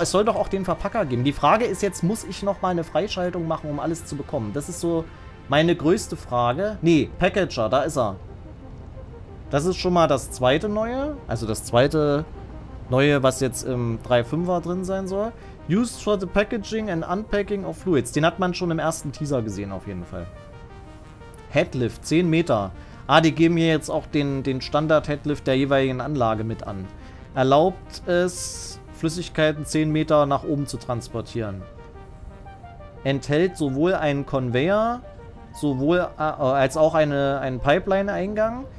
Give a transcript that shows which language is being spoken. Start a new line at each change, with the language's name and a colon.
German: Es soll doch auch den Verpacker geben. Die Frage ist jetzt, muss ich noch mal eine Freischaltung machen, um alles zu bekommen? Das ist so meine größte Frage. Nee, Packager, da ist er. Das ist schon mal das zweite Neue. Also das zweite Neue, was jetzt im 3.5er drin sein soll.
English: Used for the packaging and unpacking of fluids.
German: Den hat man schon im ersten Teaser gesehen, auf jeden Fall. Headlift, 10 Meter. Ah, die geben hier jetzt auch den Standard-Headlift der jeweiligen Anlage mit an. Erlaubt es, Flüssigkeiten 10 Meter nach oben zu transportieren. Enthält sowohl einen Conveyor, als auch einen Pipeline-Eingang.